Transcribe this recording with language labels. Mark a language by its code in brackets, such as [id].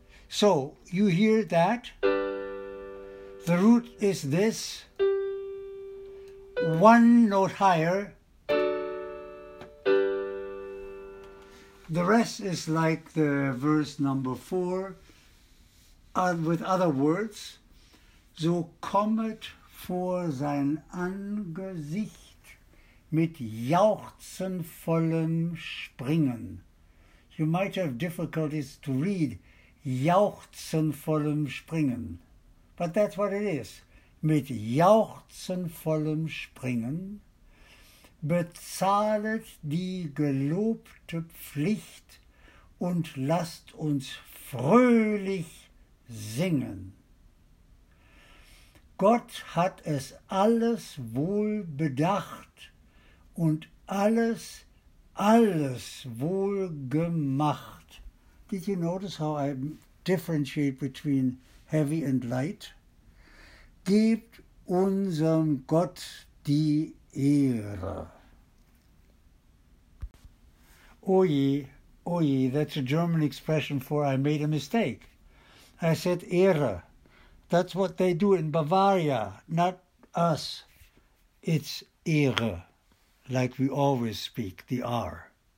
[en] So you hear that. The root is this, one note higher. The rest is like the verse number 4, with other words. [de] So kommet vor sein Angesicht mit jauchzenvollem Springen. [en] You might have difficulties to read [de] jauchzenvollem Springen. [en] But that's what it is. [de] Mit jauchzenvollem Springen bezahlet die gelobte Pflicht und lasst uns fröhlich singen. Gott hat es alles wohl bedacht und alles, alles wohl gemacht. [en] Did you notice how I differentiate between heavy and light? [de] Gebt unserem Gott die Ehre. [en] Oje, oje, that's a German expression for I made a mistake. I said Ehre. That's what they do in Bavaria, not us. It's Ehre, like we always speak, the R.